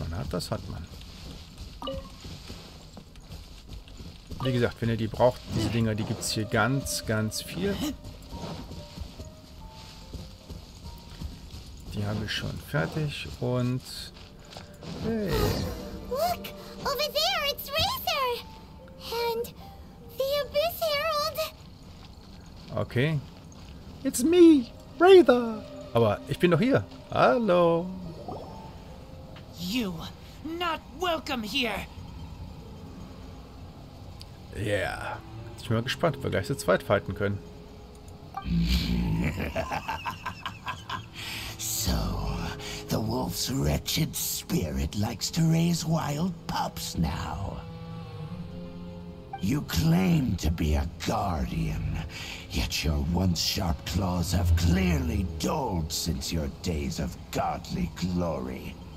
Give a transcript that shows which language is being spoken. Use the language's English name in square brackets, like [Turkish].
[German] Das hat man. Wie gesagt, wenn ihr die braucht, diese Dinger, die gibt es hier ganz, ganz viel. Die habe ich schon fertig und. Hey. [English] Look, over there, it's Razor! And the Abyss Herald! Okay. It's me, Razor! [German] Aber ich bin doch hier. Hallo! [English] You. Not welcome here. Yeah. [German] Ich bin mal gespannt, ob wir gleich zu zweit fighten können. [English] So, the wolf's wretched spirit likes to raise wild pups now. You claim to be a guardian, yet your once sharp claws have clearly dulled since your days of godly glory.